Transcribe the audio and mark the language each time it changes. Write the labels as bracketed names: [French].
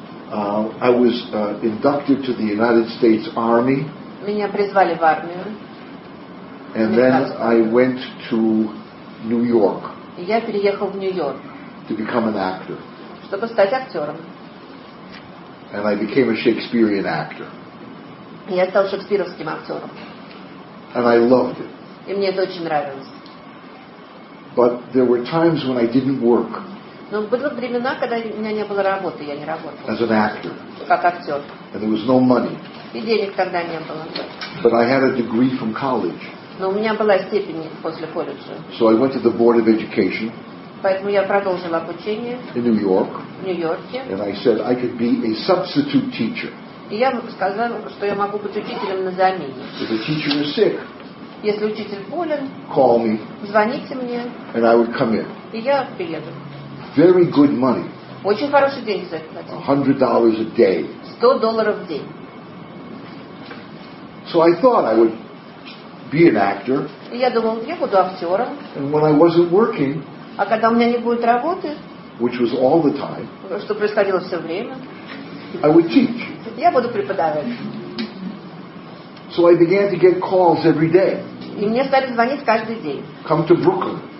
[English] I was inducted to the United States Army. [Russian] Меня призвали в армию. [English] And then I went to New York. [Russian] Я переехал в Нью-Йорк. [English] To become an actor. [Russian] Чтобы стать актером. [English] And I became a Shakespearean actor. [Russian] Я стал шекспировским актером. [English] And I loved it. [Russian] И мне это очень нравилось. [English] But there were times when I didn't work. [Russian] Но были времена, когда у меня не было работы, я не работал. [English] As an actor. [Russian] Как актер. [English] And there was no money. [Russian] И денег тогда не было. [English] But I had a degree from college. [Russian] Но у меня была степень после колледжа. [English] So I went to the Board of Education. [Russian] Поэтому я продолжила обучение. [English] In New York. [Russian] В Нью-Йорке. [English] And I said I could be a substitute teacher. [Russian] И я сказала, что я могу быть учителем на замене. [English] If a teacher is sick. [Russian] Если учитель болен. [English] Call me. [Russian] Звоните мне. [English] And I would come in. [Russian] И я приеду. [English] Very good money. [Russian] Очень хорошие деньги за это платили. [English] $100 a day. [Russian] $100 в день. [English] So I thought I would be an actor. [Russian] И я думал, я буду актером. [English] And when I wasn't working, [Russian] а когда у меня не будет работы, [English] which was all the time, [Russian] что происходило все время, [English] I would teach. [Russian] Я буду преподавать. [English] So I began to get calls every day. [Russian] И мне стали звонить каждый день. [English] Come to Brooklyn.